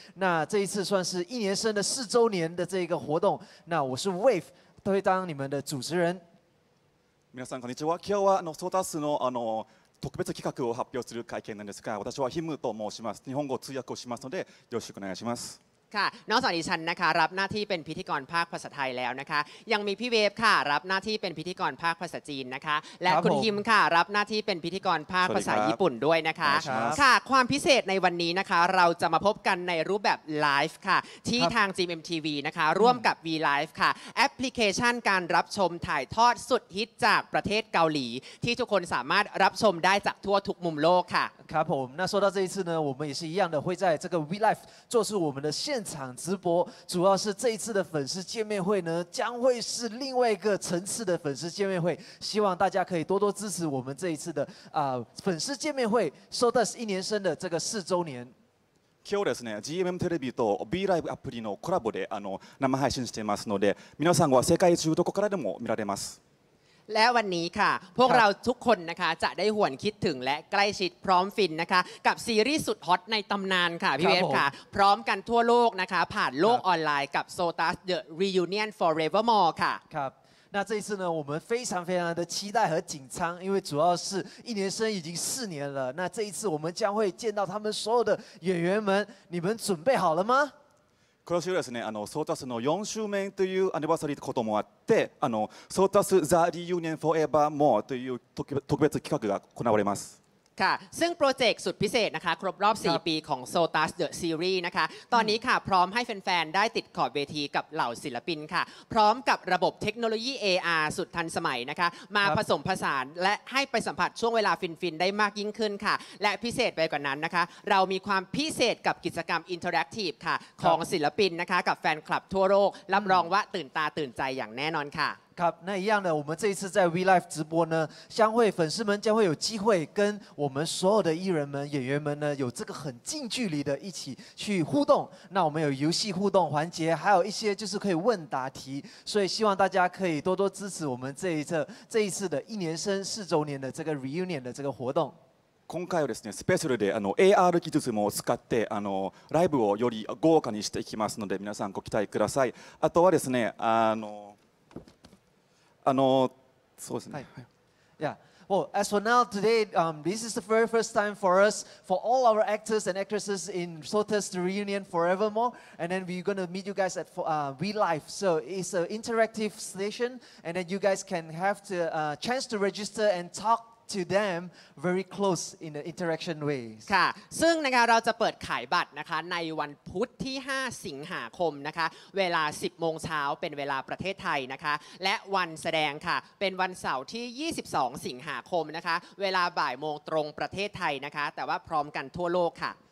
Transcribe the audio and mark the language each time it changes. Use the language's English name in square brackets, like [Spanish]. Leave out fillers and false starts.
[Chinese] 那这一次算是一年生的四周年的这个活动。那我是 Wave， 会当你们的主持人。 [Japanese] 皆さんこんにちは。今日はSOTUS の特別企画を発表する会見なんですが、私はヒムと申します。日本語通訳をしますので、よろしくお願いします。 [Thai] ค่ะนอกจากดิฉันนะคะรับหน้าที่เป็นพิธีกรภาคภาษาไทยแล้วนะคะยังมีพี่เวฟค่ะรับหน้าที่เป็นพิธีกรภาคภาษาจีนนะคะและคุณฮิมค่ะรับหน้าที่เป็นพิธีกรภาคภาษาญี่ปุ่นด้วยนะคะค่ะความพิเศษในวันนี้นะคะเราจะมาพบกันในรูปแบบไลฟ์ค่ะที่ทาง GMMTV นะคะร่วมกับ V Live ค่ะแอปพลิเคชันการรับชมถ่ายทอดสุดฮิตจากประเทศเกาหลีที่ทุกคนสามารถรับชมได้จากทั่วทุกมุมโลกค่ะ [Chinese] ครับผม那说到这一次呢我们也是一样的会在这个 V Live 做出我们的现场直播主要是这一次的粉丝见面会呢将会是另外一个层次的粉丝见面会希望大家可以多多支持我们这一次的粉丝见面会 SOTUS 一年生的这个四周年 [Japanese] 今日ですね GMM テレビと B ライブアプリのコラボで生配信していますので皆さんは世界中どこからでも見られます [Thai] และวันนี้ค่ะพวกเราทุกคนนะคะจะได้หวนคิดถึงและใกล้ชิดพร้อมฟินนะคะกับซีรีส์สุดฮอตในตำนานค่ะพี่เวฟค่ะพร้อมกันทั่วโลกนะคะผ่านโลกออนไลน์กับ SOTUS The Reunion Forevermore ค่ะ [Chinese] ครับ那这次呢我们非常非常的期待和紧张因为主要是一年生已经四年了那这一次我们将会见到他们所有的演员们你们准备好了吗 [Japanese] 今年ですね、SOTUS の4周年というアニバーサリーこともあって、SOTUS The Reunion Forever More という特別企画が行われます。 [Thai] ค่ะซึ่งโปรเจกต์สุดพิเศษนะคะครบรอบ4ปีของ SOTUS The Series นะคะตอนนี้ค่ะพร้อมให้แฟนๆได้ติดขอบเวทีกับเหล่าศิลปินค่ะพร้อมกับระบบเทคโนโลยี AR สุดทันสมัยนะคะมาผสมผสานและให้ไปสัมผัสช่วงเวลาฟินๆได้มากยิ่งขึ้นค่ะและพิเศษไปกว่านั้นนะคะเรามีความพิเศษกับกิจกรรมอินเทอร์แอคทีฟค่ะของศิลปินนะคะกับแฟนคลับทั่วโลกรับรองว่าตื่นตาตื่นใจอย่างแน่นอนค่ะ [Chinese] ครับ那一样的我们这一次在 V Live 直播呢将会粉丝们将会有机会跟我们所有的艺人们演员们呢有这个很近距离的一起去互动那我们有游戏互动环节还有一些就是可以问答题所以希望大家可以多多支持我们这一次的一年生四周年的这个 reunion 的这个活动 [Japanese] 今回はですね、スペシャルで AR 技術も使ってライブをより豪華にしていきますので皆さんご期待くださいあとはですねそうですね。はい。 [English] Yeah. Well, as for now today, this is the very first time for us, for all our actors and actresses in SOTUS The Reunion Forevermore, and then we're gonna meet you guys at We Live. So it's an interactive station, and then you guys can have the chance to register and talk. To them very close in the interaction ways. [Thai] ค่ะซึ่งนะคะเราจะเปิดขายบัตรนะคะในวันพุธที่5สิงหาคมนะคะเวลา10โมงเช้าเป็นเวลาประเทศไทยนะคะและวันแสดงค่ะเป็นวันเสาร์ที่22สิงหาคมนะคะเวลาบ่ายโมงตรงประเทศไทยนะคะแต่ว่าพร้อมกันทั่วโลกค่ะ